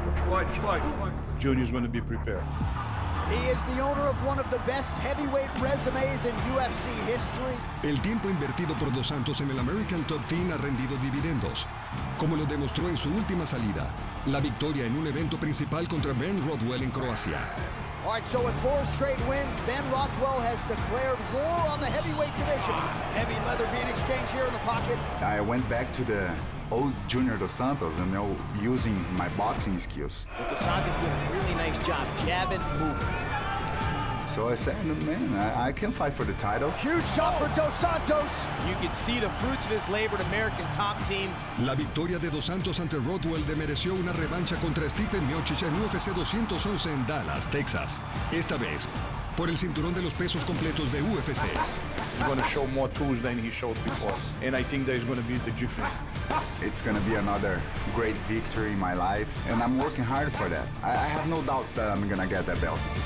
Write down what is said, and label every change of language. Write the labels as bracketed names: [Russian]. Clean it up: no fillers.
[English] Watch. Junior's going to be prepared. He is the owner of one of the best heavyweight resumes in UFC history. [Spanish] El tiempo invertido por Dos Santos en el American Top Team ha rendido dividendos, como lo demostró en su última salida, la victoria en un evento principal contra Ben Rothwell en Croacia. [English] All right, so with four straight wins, Ben Rothwell has declared war on the heavyweight division. Heavy leather being exchanged here in the pocket. I went back to the old Junior Dos Santos and now using my boxing skills. But Dos Santos doing a really nice job, jabbing, moving. So I said, man, I can fight for the title. Huge shot for Dos Santos. You can see the fruits of his labor at American Top Team. [Spanish] La victoria de Dos Santos ante Rothwell demereció una revancha contra Stephen Miocic en UFC 211 en Dallas, Texas. Esta vez, por el cinturón de los pesos completos de UFC. [English] He's going to show more tools than he showed before. And I think that is going to be the difference. It's going to be another great victory in my life. And I'm working hard for that. I have no doubt that I'm going to get that belt.